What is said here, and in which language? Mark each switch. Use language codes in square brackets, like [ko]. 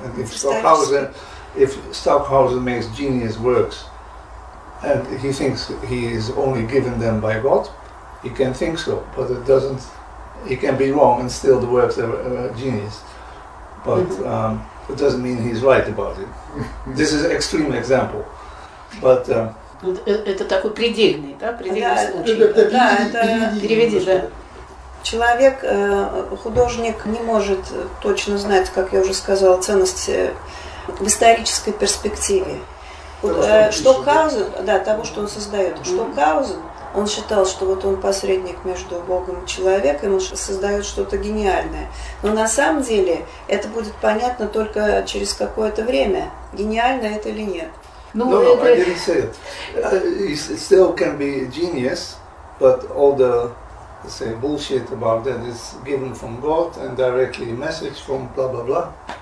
[en] And if Stockhausen makes genius works, and he thinks he is only given them by God, he can think so, but it doesn't, he can be wrong and still the works are genius, but it doesn't mean he's right about it. This is an extreme example, but... [ru] Это такой предельный, да, предельный случай. Да, это... Переведи, да. Человек, художник не может точно знать, как я уже сказала, ценности в исторической перспективе. Штокхаузен, он считал, что вот он посредник между Богом и человеком, он создает что-то гениальное. Но на самом деле это будет понятно только через какое-то время, гениально это или нет. [en] No, I didn't say it. It still can be genius, but all the, let's say, bullshit about that is given from God and directly a message from blah blah blah.